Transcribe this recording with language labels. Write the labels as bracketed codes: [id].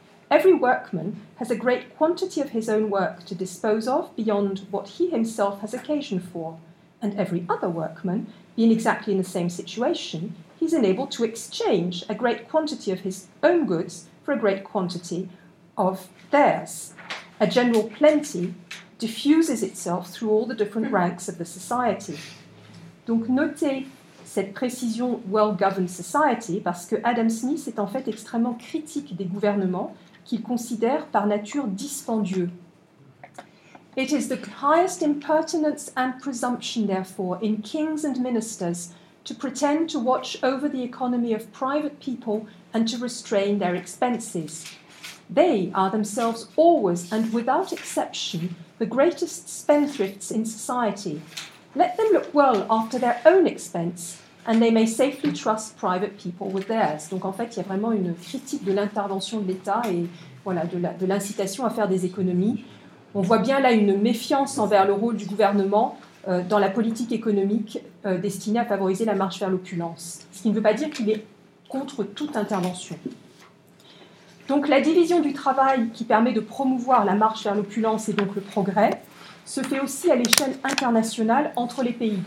[en] Every workman has a great quantity of his own work to dispose of beyond what he himself has occasion for, and every other workman, being exactly in the same situation, he's enabled to exchange a great quantity of his own goods for a great quantity of theirs. A general plenty diffuses itself through all the different ranks of the society. [fr] Donc notez cette précision [en] well-governed society, [fr] parce que Adam Smith est en fait extrêmement critique des gouvernements qu'il considère par nature dispendieux. [en] It is the highest impertinence and presumption, therefore, in kings and ministers to pretend to watch over the economy of private people and to restrain their expenses. They are themselves always and without exception the greatest spendthrifts in society. Let them look well after their own expense, and they may safely trust private people with theirs. [fr] Donc en fait, il y a vraiment une critique de l'intervention de l'État et voilà, de l'incitation à faire des économies. On voit bien là une méfiance envers le rôle du gouvernement dans la politique économique destinée à favoriser la marche vers l'opulence. Ce qui ne veut pas dire qu'il est contre toute intervention. Donc la division du travail qui permet de promouvoir la marche vers l'opulence et donc le progrès se fait aussi à l'échelle internationale entre les pays.